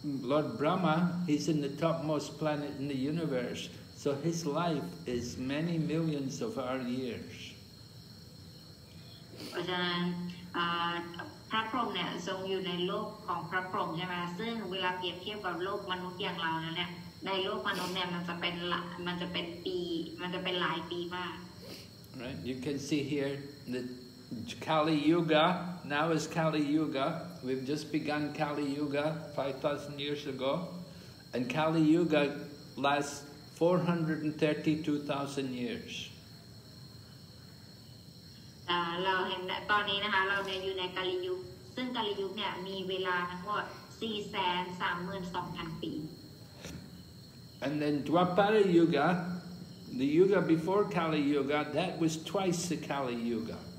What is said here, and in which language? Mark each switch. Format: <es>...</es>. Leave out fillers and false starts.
<en>Lord Brahma he's in the topmost planet in the universe so his life is many millions of our years</en> <th>เพราะฉะนั้นพระพรหมเนี่ยทรงอยู่ในโลกของพระพรหมใช่ไหมซึ่งเวลาเปรียบเทียบกับโลกมนุษย์อย่างเราเนี่ยในโลกมนุษย์เนี่ยมันจะเป็นปีมันจะเป็นหลายปีมาก</th> <en>Right you can see here the Kali Yuga now is Kali Yuga we've just begun Kali Yuga 5,000 years ago and Kali Yuga lasts 432,000 years</en> <th>เราเห็นตอนนี้นะคะเราเนี่ยอยู่ในกาลียุคซึ่งกาลียุคเนี่ยมีเวลาทั้งหมด 432,000 ปี</th> <en>And then Dwapara Yuga, the Yuga before Kali Yuga, that was twice the Kali Yuga,</en>